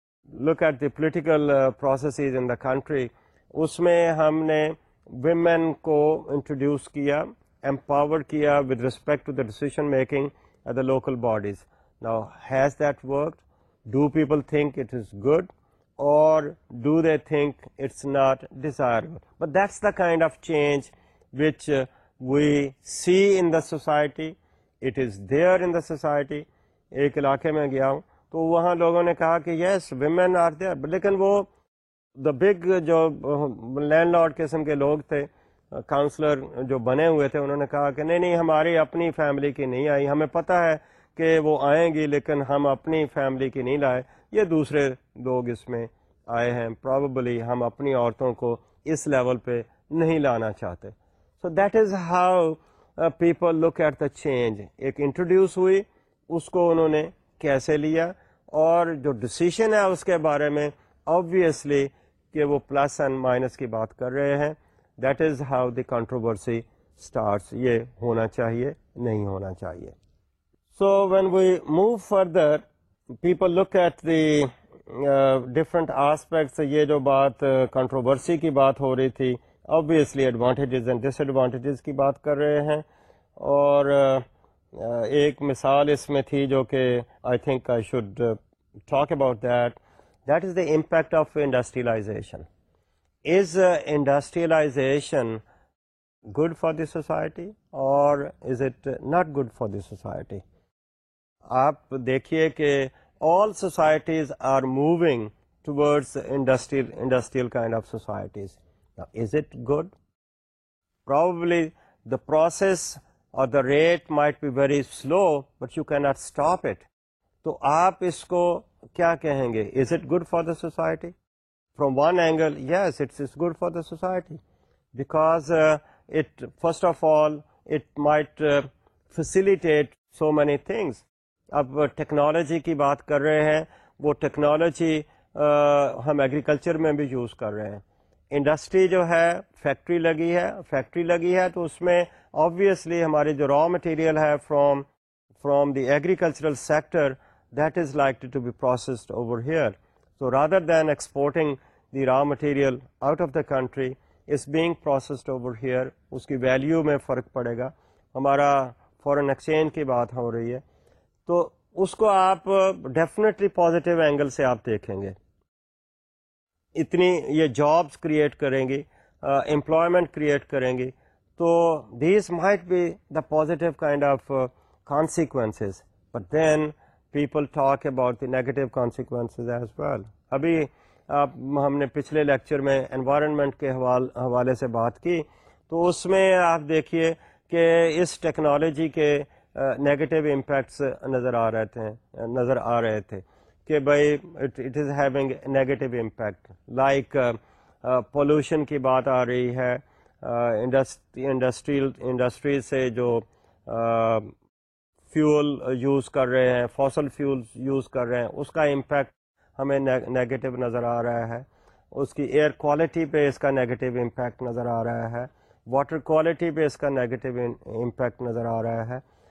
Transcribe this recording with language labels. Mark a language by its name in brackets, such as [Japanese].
[English] look at the political processes in the country, [Urdu] اس میں ہم نے ویمن کو انٹروڈیوس کیا, [English] empowered [Urdu] کیا [English] with respect to the decision making at the local bodies. Now, has that worked? Do people think it is good? Or do they think it's not desirable? But that's the kind of change which we see in the society. It is there in the society. [Urdu] ایک علاقے میں گیا ہوں تو وہاں لوگوں نے کہا کہ [English] yes, women are there. But [Urdu] لیکن وہ [English] the big [Urdu] جو لینڈ لارڈ قسم کے لوگ تھے, کاؤنسلر جو بنے ہوئے تھے, انہوں نے کہا کہ نہیں نہیں ہماری اپنی فیملی کی نہیں آئی, ہمیں پتہ ہے کہ وہ آئیں گی لیکن ہم اپنی فیملی کی نہیں لائے, یہ دوسرے لوگ اس میں آئے ہیں, پراببلی ہم اپنی عورتوں کو اس لیول پہ نہیں لانا چاہتے. [English] So that is how people look at the change. [Urdu] ایک انٹروڈیوس ہوئی, اس کو انہوں نے کیسے لیا, اور جو ڈسیشن ہے اس کے بارے میں آبویسلی کہ وہ پلس اینڈ مائنس کی بات کر رہے ہیں. [English] That is how the controversy starts. [Urdu] یہ ہونا چاہیے, نہیں ہونا چاہیے. [English] So when we move further, people look at the different aspects. [Urdu] یہ جو بات کنٹروورسی کی بات ہو رہی تھی, obviously [English] advantages and disadvantages [Urdu] کی بات کر رہے ہیں, اور ایک مثال اس میں تھی جو کہ [English] I think I should talk about that. That is the impact of industrialization. Is industrialization good for the society or is it not good for the society? [Urdu] آپ دیکھیے کہ [English] All societies are moving towards industrial kind of societies. Is it good? Probably the process or the rate might be very slow, but you can not stop it. [Urdu] تو آپ اس کو کیا کہیں گے, [English] Is it good for the society? From one angle yes, it is good for the society, because it first of all it might facilitate so many things. [Urdu] اب technology کی بات کر رہے ہیں, وہ ٹیکنالوجی ہم ایگریکلچر میں بھی یوز کر رہے ہیں. انڈسٹری جو ہے, فیکٹری لگی ہے, فیکٹری لگی ہے تو اس میں آبویسلی ہماری جو را مٹیریل ہے [English] From the agricultural sector, that is likely to be processed over here. So rather than exporting the raw material out of the country, is being processed over here. [Urdu] اس کی value میں فرق پڑے گا. ہمارا foreign exchange کی بات ہو رہی ہے تو اس کو آپ ڈیفینیٹلی پازیٹیو اینگل سے آپ دیکھیں گے. اتنی یہ جابس کریٹ کریں گی, امپلائمنٹ کریٹ کریں گی, تو [English] These might be the positive kind of consequences. But then people talk about the negative consequences as well. [Urdu] ابھی ہم نے پچھلے لیکچر میں انوائرمنٹ کے حوالے سے بات کی, تو اس میں آپ دیکھیے کہ اس ٹیکنالوجی کے نگیٹو امپیکٹس نظر آ رہے تھے کہ بھائی [English] it is having negative impact, [Urdu] like pollution کی بات آ رہی ہے, انڈسٹری سے جو فیول یوز کر رہے ہیں, فوسل فیولز یوز کر رہے ہیں, اس کا امپیکٹ ہمیں نگیٹو نظر آ رہا ہے, اس کی ایئر کوالٹی پہ اس کا نگیٹو امپیکٹ نظر آ رہا ہے, واٹر کوالٹی پہ اس کا نگیٹو امپیکٹ نظر آ رہا ہے.